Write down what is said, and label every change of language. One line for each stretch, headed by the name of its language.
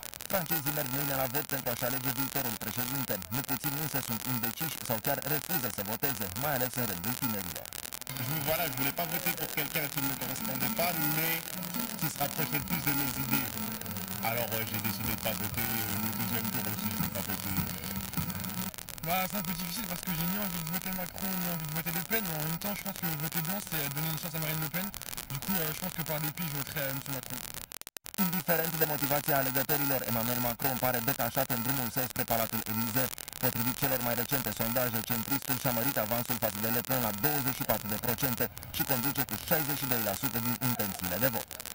Romanian: Francezii merg mâine la vot pentru a-și alege viitorul președinte. Nu puțin însă sunt indeciși sau chiar refuză să voteze, mai ales în rândul tinerilor.
French: Je vous voilà, je voulais pas voter pour quelqu'un qui ne me correspondait pas, mais qui se rapprochait plus de mes idées. Alors j'ai décidé de pas voter, le deuxième tour aussi, je n'ai pas voté. Bah c'est un peu difficile parce que j'ai ni envie de voter Macron, ni envie de voter Le Pen, mais en même temps je pense que voter blanc c'est donner une chance à Marine Le Pen. Du coup je pense que par dépit je voterai M. Macron.
Romanian: Indiferent de motivația alegătorilor, Emmanuel Macron pare detașat în drumul său spre Palatul Elysée. Potrivit celor mai recente sondaje, centristul și-a mărit avansul față de Le Pen la 24% și conduce cu 62% din intențiile de vot.